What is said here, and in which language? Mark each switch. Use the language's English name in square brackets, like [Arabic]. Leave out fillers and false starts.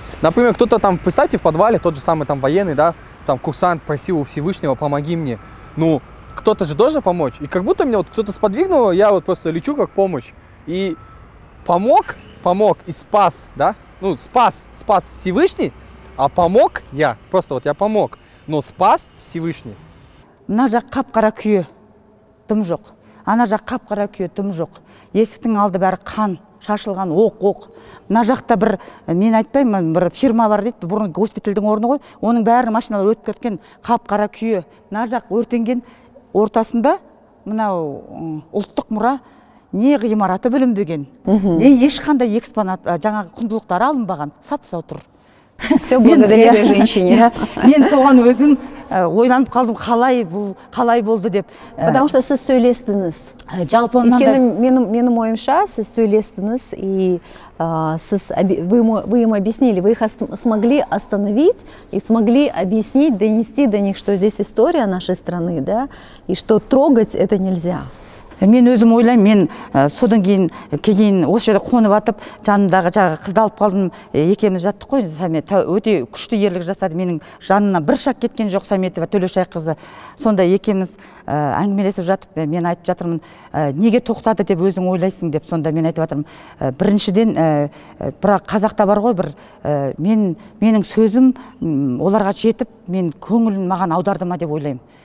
[Russian] Например, кто-то там, представьте, в подвале, тот же самый там военный, да, там курсант просил у Всевышнего, помоги мне. Ну, кто-то же должен помочь. И как будто меня вот кто-то сподвигнул, я вот просто лечу как помощь. И помог и спас, да? Ну, спас Всевышний, а помог я. Просто вот я помог, но спас Всевышний. [Kazakh] Мына жақ қап-қара күйе, тым жоқ. Ана жақ қап-қара күйе, тым жоқ. Есіктің алды бәрі қан, шашылған оқ-оқ. Мына жақта бір, мен айтпаймын, бір фирма бар дейді, бұрын госпитальдің орны ғой. Оның бәрі машиналар өтіп кеткен қап-қара күйе. Мына жақ өртенген ортасында мынау ұлттық мұра. Не ғимараты бүлінбеген, не ешқандай экспонат, жаңағы құндылықтар алынбаған, сапса отыр. Все благодаря этой женщине. Мен соған өзім ойланып қалдым, қалай болды деп. [Russian] Потому что [Kazakh] сіз сөйлестіңіз. Жалпы оңнан да. Екені менің ойымша, сіз сөйлестіңіз, и сіз, [Russian] вы им объяснили, вы их смогли остановить, и смогли объяснить, донести до них, что здесь история нашей страны, да, и что трогать это нельзя. [Kazakh] Мен өзім ойлайым, мен содан кейін осы жерде қонып атып, жанымдағы жаңағы қызды алып қалдым, екеуміз жаттық қой, Сәмет, өте күшті ерлік жасады, менің жанымнан бір шақ кеткен жоқ Сәметова Төлешай қызы. Сонда екеуміз әңгімелесіп жатып, мен айтып жатырмын, неге тоқтады деп өзің ойлайсың деп, сонда мен айтып жатырмын, біріншіден, бірақ қазақта бар ғой бір, менің сөзім оларға жетіп, мен көңілін маған аударды ма деп ойлаймын.